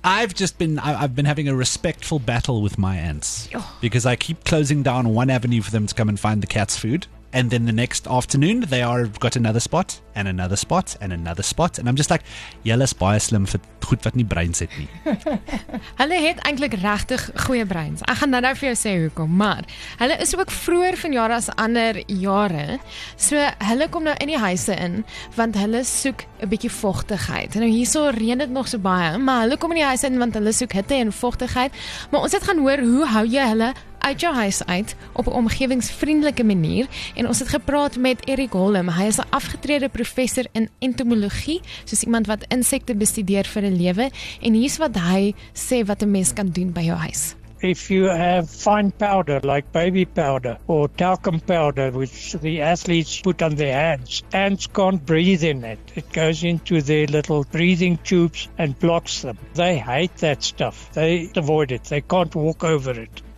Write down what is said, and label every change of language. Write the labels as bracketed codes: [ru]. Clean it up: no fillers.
[en] I've been having a respectful battle with my ants. Because I keep closing down one avenue for them to come and find the cat's food. And then the next afternoon, they are got another spot, and another spot, and another spot. And I'm just like, [af] jylle is baie slim vir goed wat nie breins het nie. Hulle het eintlik regtig goeie breins. Ek gaan nou vir jou sê hoekom, maar hulle is ook vroeër vanjaar as ander jare. So hulle kom nou in die huise in, want hulle soek 'n bietjie vochtigheid. Nou hierso reën dit nog so baie, maar hulle kom in die huise in, want hulle soek hitte en vochtigheid. Maar ons het gaan hoor, hoe hou jy hulle uit jou huis uit, op 'n omgevingsvriendelike manier. En ons het gepraat met Eric Holm. Hy is 'n afgetrede professor in entomologie, soos iemand wat insekte bestudeer vir 'n lewe. En hier is wat hy sê wat 'n mens kan doen by jou huis. [en] If you have fine powder, like baby powder, or talcum powder, which the athletes put on their hands, ants can't breathe in it. It goes into their little breathing tubes and blocks them. They hate that stuff. They avoid it. They can't walk over it.